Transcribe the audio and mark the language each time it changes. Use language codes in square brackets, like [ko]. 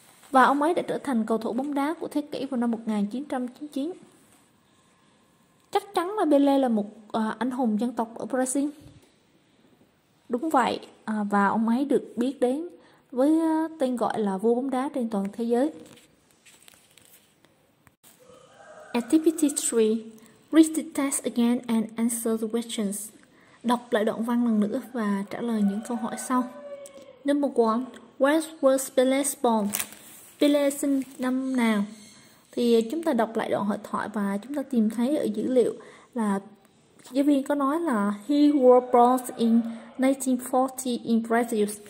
[vi] Và ông ấy đã trở thành cầu thủ bóng đá của thế kỷ vào năm 1999. Chắc chắn là Pelé là một anh hùng dân tộc ở Brazil. Đúng vậy, và ông ấy được biết đến với tên gọi là vua bóng đá trên toàn thế giới. [en] Activity 3. Read the text again and answer the questions. [vi] Đọc lại đoạn văn lần nữa và trả lời những câu hỏi sau. [en] Number 1. Where was Pele born? [vi] Pele sinh năm nào? Thì chúng ta đọc lại đoạn hội thoại và chúng ta tìm thấy ở dữ liệu là giáo viên có nói là [en] he was born in 1940 in Brazil.